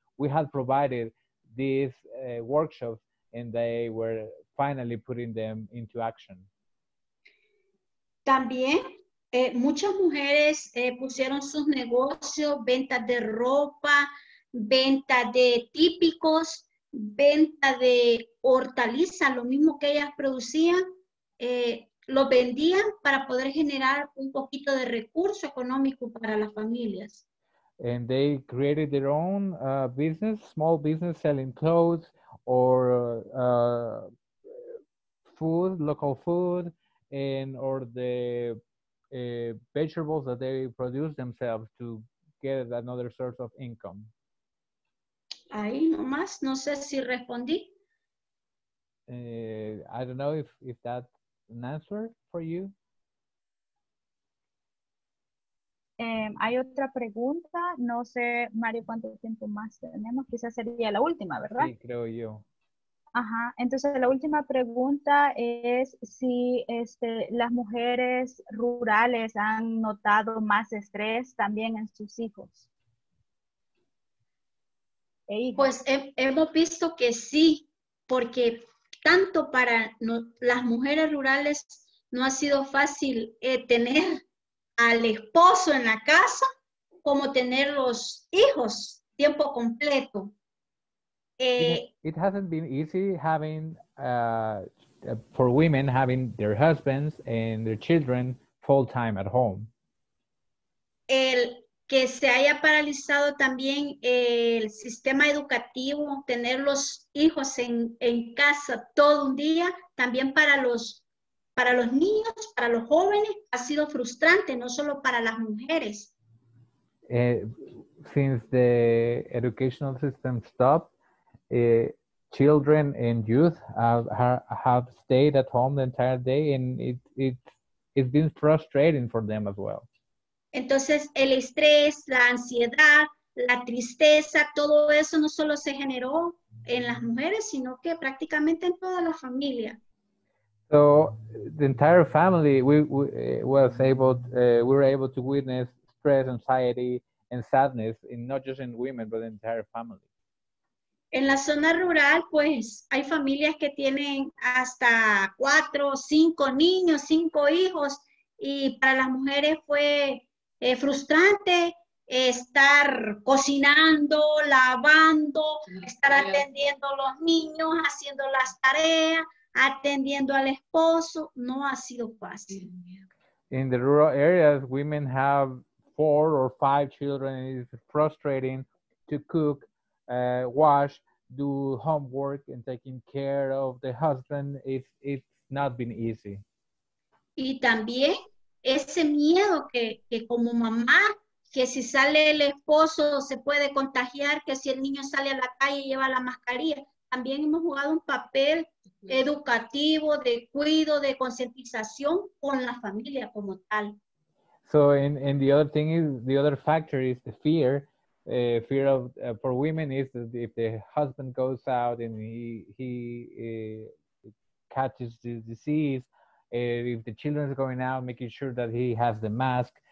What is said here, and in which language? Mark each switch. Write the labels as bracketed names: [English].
[English] We had provided these workshops and they were finally putting them into action. [Spanish] También muchas mujeres pusieron sus negocios, ventas de ropa, ventas de típicos, venta de hortalizas, lo mismo que ellas producían, lo vendían para poder generar un poquito de recurso económico para las familias. [English] And they created their own business, small business selling clothes or food, local food, and or the vegetables that they produce themselves to get another source of income. [Spanish] Ahí nomás, no sé si respondí. [English] I don't know if that's an answer for you. [Spanish] Hay otra pregunta, no sé, Mario, cuánto tiempo más tenemos, quizás sería la última, ¿verdad? Sí, creo yo. Ajá, entonces la última pregunta es si las mujeres rurales han notado más estrés también en sus hijos. Pues hemos visto que sí, porque tanto para las mujeres rurales no ha sido fácil tener al esposo en la casa como tener los hijos tiempo completo. [English] It hasn't been easy having for women having their husbands and their children full time at home. [Spanish] El que se haya paralizado también el sistema educativo, tener los hijos en casa todo un día, también para los niños, para los jóvenes, ha sido frustrante, no solo para las mujeres. [English] Since the educational system stopped, children and youth have stayed at home the entire day, and it's been frustrating for them as well. [Spanish] Entonces, el estrés, la ansiedad, la tristeza, todo eso no solo se generó en las mujeres, sino que prácticamente en toda la familia. [English] So, the entire family, we were able to witness stress, anxiety, and sadness, in not just in women, but the entire family. [Spanish] En la zona rural, pues, hay familias que tienen hasta 4 o 5 niños, 5 hijos, y para las mujeres fue frustrante estar cocinando, lavando, estar atendiendo a los niños, haciendo las tareas, atendiendo al esposo. No ha sido fácil. [English] In the rural areas, women have 4 or 5 children, and it's frustrating to cook, wash, do homework, and taking care of the husband. It's not been easy. [Spanish] Y también ese miedo que como mamá, que si sale el esposo se puede contagiar, que si el niño sale a la calle lleva la mascarilla. También hemos jugado un papel educativo, de cuido, de concientización con la familia como tal. [English] So, and the other thing is, the other factor is the fear. Fear of for women is that if the husband goes out and he catches the disease, if the children are going out, making sure that he has the mask.